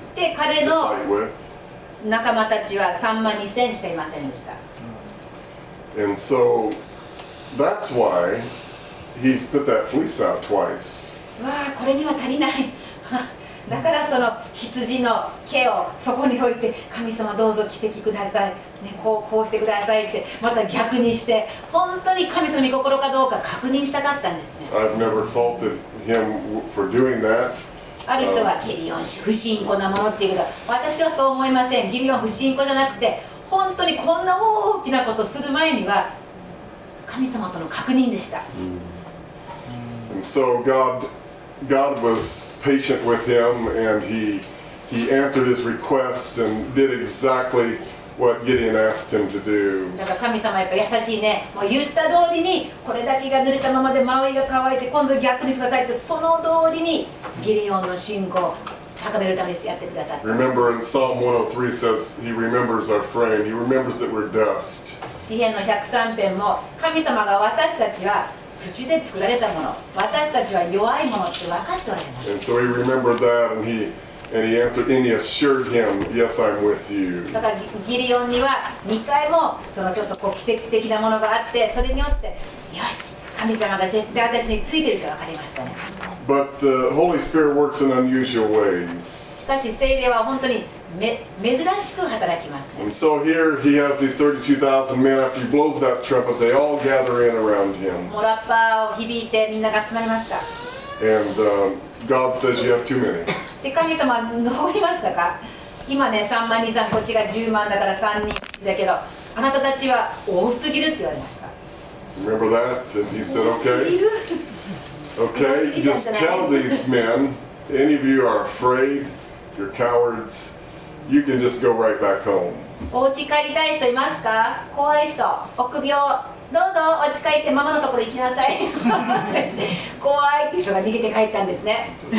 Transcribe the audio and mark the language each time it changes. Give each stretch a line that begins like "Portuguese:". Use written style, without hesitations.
Japanese: で彼の仲間たちは3万2000しかいませんでした。
English: And so that's why he put that fleece out twice.
Japanese: わあ、これには足りない。だからその羊の毛をそこに置いて神様どうぞ奇跡ください。ね、こうしてくださいってまた逆にして本当に神様に心かどうか確認したかったんですね。
English: I've never faulted him for doing that.
Japanese: ある人はギデオン氏不信仰なものっていうけど私はそう思いません。ギデオン不信仰じゃなくて本当にこんな大きなことする前には神様との確認でした。
English: And so God was patient with him and he answered his request and did exactly what Gideon asked him to do.
Japanese: だから神様やっぱ優しいね。もう言った通りにこれだけが濡れたままで周りが乾いて今度逆にしなさいってその通りにギデオンの信仰を高めるためにやってくださった。
English: Remember in Psalm 103 says he remembers our frame. He remembers that we're dust.
Japanese: 詩篇の103編も神様が私たちは土で作られたもの、私たちは弱いものって分かっておられます。
English: And so he remembered that and he answered and he assured him, "Yes, I'm with you."
Japanese: だからギデオンには2回もそのちょっとこう奇跡的なものがあって、それによってよし、神様が絶対私についてるって分かりましたね。
English: But the Holy Spirit works in unusual ways.
Japanese: しかし聖霊は本当に珍しく働きます、ね。
English: And so here he has these 32,000 men. After he blows that trumpet, they all gather in around him.
Japanese: もうラッパーを響いてみんなが集まりました。
English: And God says you have too many.
Japanese: で神様はどう言いましたか。今ね3万2000こっちが10万だから3人だけどあなたたちは多すぎるって言われました。
English: Remember that? And he said, okay. Okay, just tell these men, any of you are afraid, you're cowards, you can just go right back home.
Japanese: お家帰りたい人いますか。怖い人、臆病、どうぞお家帰ってママのところ行きなさい。怖いって人が逃げて帰ったんですね。